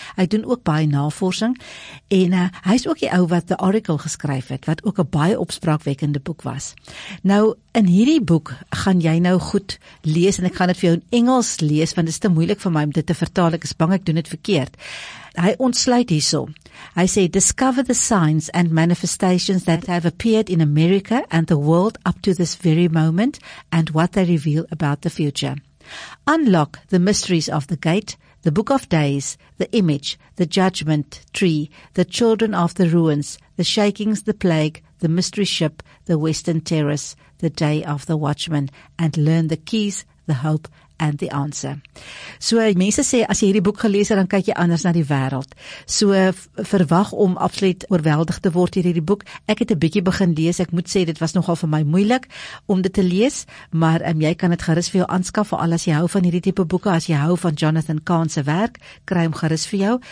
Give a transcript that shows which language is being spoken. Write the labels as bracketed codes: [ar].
[af] Hy doen ook baie navorsing en hy is ook die ou wat The Oracle geskryf het wat ook 'n baie spraakwekkende boek was. Nou, in hierdie boek gaan jy nou goed lees en ek gaan dit vir jou in Engels lees, want dit is te moeilik vir my om dit te vertaal. Ek is bang ek doen dit verkeerd. Hy ontsluit hierso. Hy sê, [en] discover the signs and manifestations that have appeared in America and the world up to this very moment and what they reveal about the future. Unlock the mysteries of the gate, the book of days, the image, the judgment tree, the children of the ruins, the shakings, the plague, the mystery ship, the western terrace, the day of the watchman, and learn the keys, the hope, and the answer. [af] So, mense sê, as jy hierdie boek gelees het, dan kyk jy anders na die wêreld. So, verwag om absoluut oorweldig te word deur hierdie boek. Ek het 'n bietjie begin lees, ek moet sê, dit was nogal vir my moeilik om dit te lees, maar jy kan dit gerus vir jou aanskaf, veral as jy hou van hierdie tipe boeke, as jy hou van Jonathan Kahn se werk, kry hom gerus vir jou.